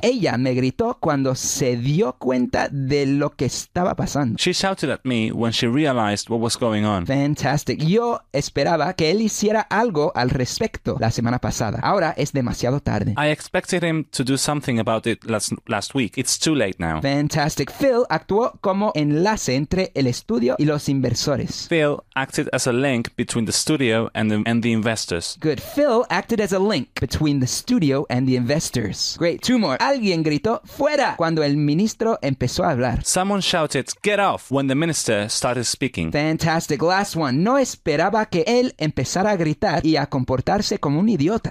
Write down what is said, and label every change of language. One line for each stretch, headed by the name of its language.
Spanish: Ella me gritó cuando se dio cuenta de lo que estaba pasando.
English: She shouted at me when she realized what was going on. Fantastic.
Spanish: Yo esperaba que él hiciera algo al respecto la semana pasada. Ahora es demasiado tarde.
English: I expected him to do something about it last week. It's too late now. Fantastic.
Spanish: Phil actuó como enlace entre el estudio y los inversores.
English: Phil acted as a link between the studio and the investors. Good. Phil acted as a link between the studio and the investors. Great. Two more.
Spanish: Alguien gritó fuera cuando el ministro empezó a hablar.
English: Someone shouted get off when the minister started speaking. Fantastic. Last one.
Spanish: No esperaba que él empezara a gritar y a comportarse como un idiota.